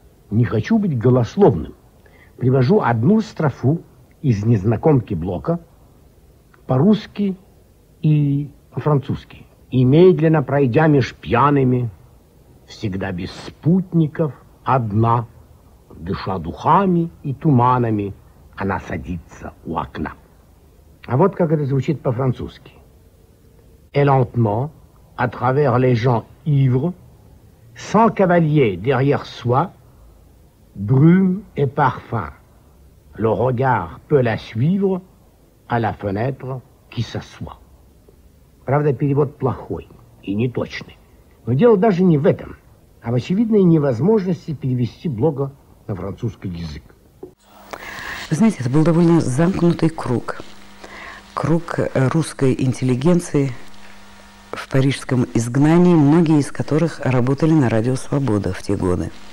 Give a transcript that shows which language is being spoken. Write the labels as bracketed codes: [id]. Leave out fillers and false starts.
[ru] Не хочу быть голословным. Привожу одну строфу из «Незнакомки Блока» по-русски и по-французски. «И медленно пройдя меж пьяными, всегда без спутников, одна, дыша духами и туманами, она садится у окна». А вот как это звучит по-французски. [fr] «Et lentement, à travers les gens ivres, sans cavalier derrière soi, brume et parfum, le regard peut la suivre à la fenêtre qui s'assoit». [ru] Правда, перевод плохой и неточный. Но дело даже не в этом, а в очевидной невозможности перевести Блока на французский язык. Вы знаете, это был довольно замкнутый круг. Круг русской интеллигенции в парижском изгнании, многие из которых работали на радио «Свобода» в те годы.